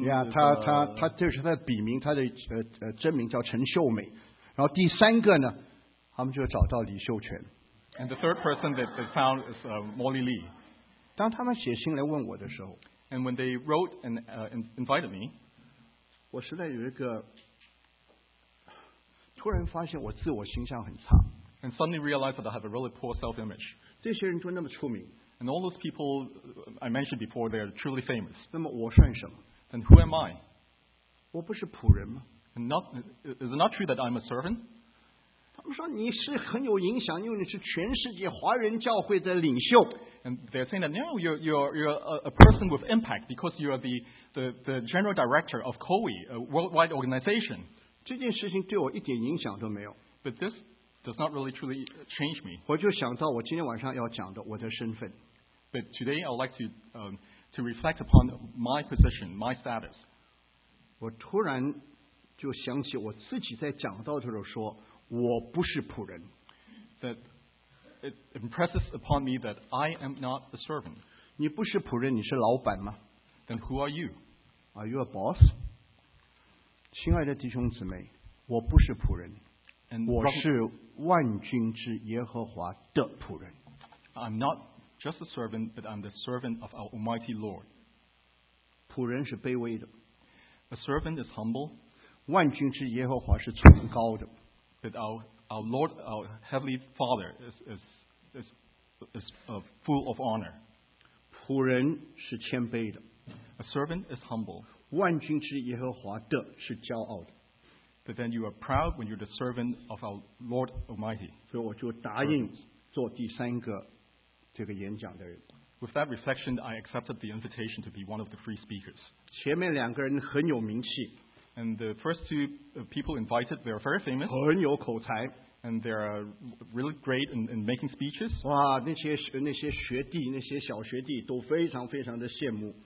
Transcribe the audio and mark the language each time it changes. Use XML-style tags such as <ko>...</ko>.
<zh>Yeah, 他这是他的笔名，他的真名叫陈秀美。然后第三个呢，他们就找到李秀全。</zh> <en>And the third person that they found is Molly Lee.</en> <zh>当他们写信来问我的时候</zh> <en>，And when they wrote and invited me，</en> <zh>我实在有一个突然发现我自我形象很差。</zh> <en>And suddenly realized that I have a really poor self-image.</en> <zh>这些人就那么出名。</zh> <en>And all those people I mentioned before, they are truly famous.</en> <zh>那么我算什么</zh> <en>？And who am I？</en> <zh>我不是仆人吗</zh> <en>？And not is it not true that I'm a servant？</en> <zh>他们说你是很有影响，因为你是全世界华人教会的领袖。</zh> <en>And they're saying that no, you're a person with impact because you are the general director of COWI, a worldwide organization.</en> <zh>这件事情对我一点影响都没有。</zh> <en>But this does not really truly change me.</en> <zh>我就想到我今天晚上要讲的我的身份。</zh> <en>But today I'd like to reflect upon my position, my status.</en> <zh>我突然就想起我自己在讲到的时候说。我不是仆人。</zh> <en>That it impresses upon me that I am not a servant.</en> <zh>你不是仆人，你是老板吗</zh> <en>？Then who are you? Are you a boss?</en> <zh>亲爱的弟兄姊妹，我不是仆人，</zh> <en>And、</en> <zh>我是万军之耶和华的仆人。</zh> <en>I'm not just a servant, but I'm the servant of our Almighty Lord.</en> <zh>仆人是卑微的</zh> <en>，A servant is humble.</en> <zh>万军之耶和华是崇高的。</zh> <en>That our Lord, our Heavenly Father, is full of honor.</en> <zh>仆人是谦卑的。</zh> <en>A servant is humble.</en> <zh>万军之耶和华的是骄傲的。</zh> <en>But then you are proud when you're the servant of our Lord Almighty.</en> <zh>所以我就答应做第三个这个演讲的人。</zh> <en>With that reflection, I accepted the invitation to be one of the free speakers.</en> <zh>前面两个人很有名气。</zh> <en>And the first two people invited, they are very famous.</en> <zh>很有口才</zh> <en>And they are really great in making speeches.</en> <zh>哇，那些学弟，那些小学弟都非常非常的羡慕。</zh>